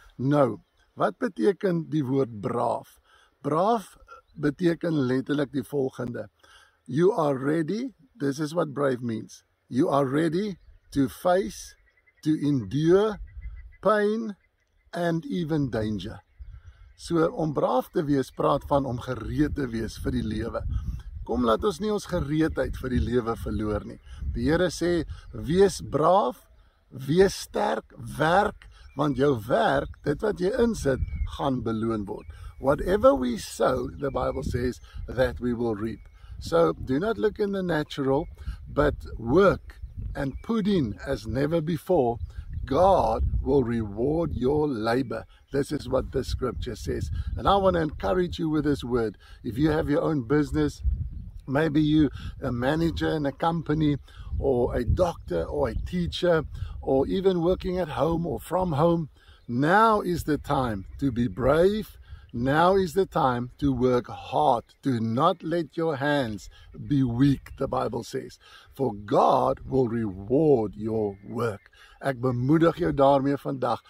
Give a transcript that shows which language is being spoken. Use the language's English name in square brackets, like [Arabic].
[Afrikaans] Nou, wat beteken die woord braaf? Braaf beteken letterlik die volgende. [English] You are ready, this is what brave means. You are ready to face, to endure pain and even danger. [Afrikaans] So om braaf te wees praat van om gereed te wees vir die lewe. Kom, laat ons nie ons gereedheid vir die lewe verloor nie. Die Here sê, wees braaf, wees sterk, werk, want jou werk, dit wat jy insit, gaan beloon word. [English] Whatever we sow, the Bible says, that we will reap. So, do not look in the natural, but work and put in as never before. God will reward your labor. This is what the scripture says. And I want to encourage you with this word. If you have your own business, maybe you a manager in a company or a doctor or a teacher or even working at home or from home, now is the time to be brave. Now is the time to work hard. Do not let your hands be weak, the Bible says, for God will reward your work. [Afrikaans] Ek bemoedig jou daarmee vandag.